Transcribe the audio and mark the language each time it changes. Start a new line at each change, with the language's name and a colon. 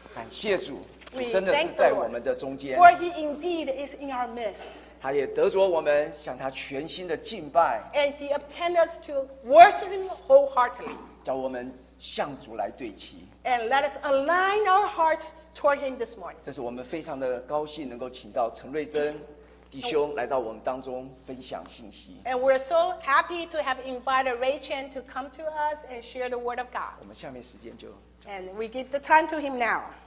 Chinese: 谢主真的是在我们的中间。
English: For he indeed is in our midst.
Chinese: 他也得着我们向他全心的敬拜。
English: And he obtained us to worship him wholeheartedly.
Chinese: 叫我们向主来对齐。
English: And let us align our hearts toward him this morning.
Chinese: 这是我们非常的高兴能够请到陈瑞珍弟兄来到我们当中分享信息。
English: And we're so happy to have invited Ray Chen to come to us and share the word of God.
Chinese: 我们下面时间就。
English: And we give the time to him now.